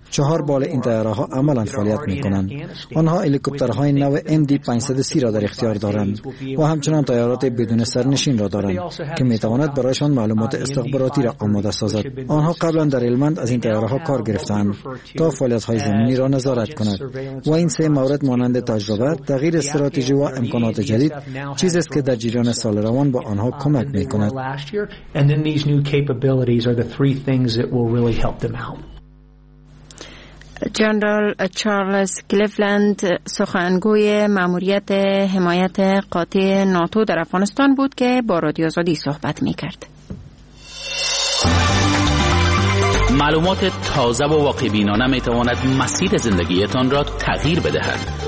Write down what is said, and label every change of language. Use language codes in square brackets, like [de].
[fa] چهار بال این تیاره‌ها عملاً فعالیت می‌کنند. آنها هلیکوپترهای نو MD-530 را در اختیار دارند و همچنین تیارات بدون سرنشین را دارند که می‌تواند برایشان معلومات استخباراتی را آماده سازد. آنها قبلاً در ایلمند از این تیاره‌ها کار گرفتند تا فعالیت‌های زمینی را نظارت کند. و این سه مورد مانند تجربه، تغییر استراتژی و امکانات جدید چیزی است که در جریان سال روان با آنها کمک میکند. [en] And then these new capabilities are the three things that will really help them out. [fa] جنرال چارلز کلیفلند سخنگوی ماموریت حمایت قاطع ناتو در افغانستان بود که با رادیو آزادی صحبت میکرد. معلومات تازه و واقع بینانه میتواند مسیر زندگیتان را تغییر بدهد.